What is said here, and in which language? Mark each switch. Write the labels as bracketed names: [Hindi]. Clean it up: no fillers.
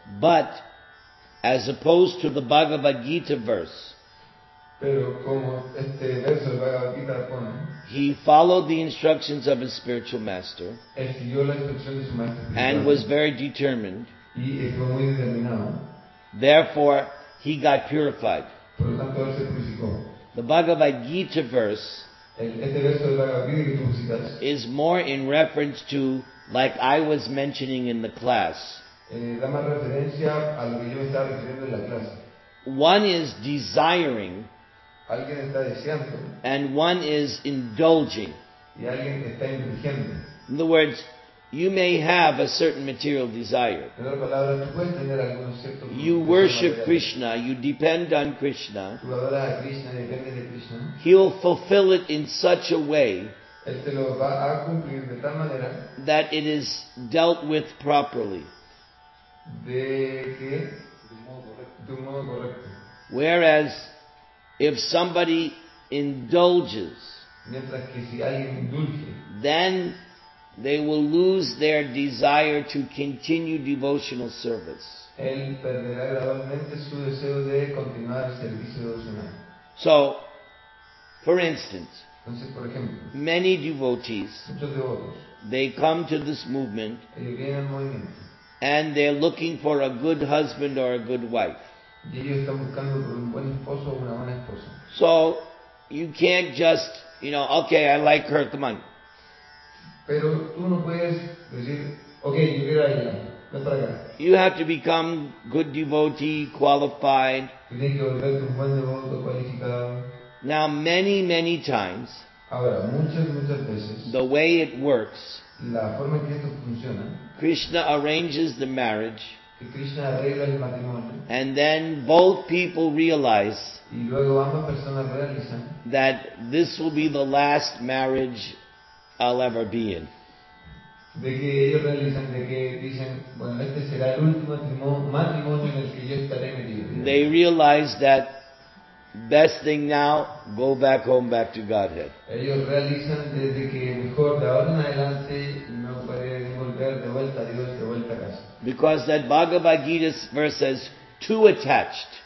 [English] But, as opposed to the Bhagavad Gita verse, [Spanish] pero como este verso de Bhagavad Gita pone, [English] he followed the instructions of his spiritual master, [Spanish] él siguió la instrucción de su maestro espiritual, [English] and was very determined. [Spanish] Y fue muy determinado. [English] Therefore, he got purified. [Spanish] Por lo tanto, él se purificó. [English] The Bhagavad Gita verse [Spanish] este verso de Bhagavad Gita que tú citas, [English] is more in reference to, like I was mentioning in the class. [Spanish] Da más referencia a lo que yo estaba refiriendo en la clase. [English] One is desiring, [Spanish] alguien está deseando, [English] and one is indulging. [Spanish] Y alguien está indulgiendo. [English] In other words, you may have a certain material desire. [Spanish] En otras palabras, tú puedes tener algún cierto, [English] you worship Krishna, you depend on Krishna. [Spanish] Tú adoras a Krishna, depende de Krishna. [English] He'll fulfill it in such a way, [Spanish] él te lo va a cumplir de tal manera, [English] that it is dealt with properly. [Spanish] De qué? De modo correcto. [English] Whereas, if somebody indulges, [Spanish] mientras que si alguien indulge, [English] then they will lose their desire to continue devotional service. [Spanish] Él perderá gradualmente su deseo de continuar el servicio devocional. [English] So, for instance, [Spanish] entonces, por ejemplo, [English] many devotees, [Spanish] muchos devotos, [English] they come to this movement, [Spanish] ellos vienen al movimiento, [English] and they're looking for a good husband or a good wife. [Spanish] Y ellos están buscando por un buen esposo o una buena esposa. [English] So, you can't just, you know, okay, I like her, come on. [Spanish] Pero tú no puedes decir, okay, yo quiero ella, ven para acá. [English] You have to become good devotee, qualified. [Spanish] Tienes que volverte un buen devoto, cualificado. [English] Now, many, many times, [Spanish] ahora, muchas, muchas veces, [English] the way it works, [Spanish] la forma en que esto funciona, [English] Krishna arranges the marriage, [Spanish] que Krishna arregla el matrimonio, [English] and then both people realize, [Spanish] y luego ambas personas realizan, [English] that this will be the last marriage I'll ever be in. [Spanish] De que ellos realizan, de que dicen, bueno, este será el último matrimonio en el que yo estaré metido. [English] They realize that best thing now, go back home, back to Godhead. [Spanish] Ellos realizan desde que mejor de ahora en adelante no pueden volver de vuelta a Dios, de vuelta a casa. [English] Because that Bhagavad Gita verse says, too attached.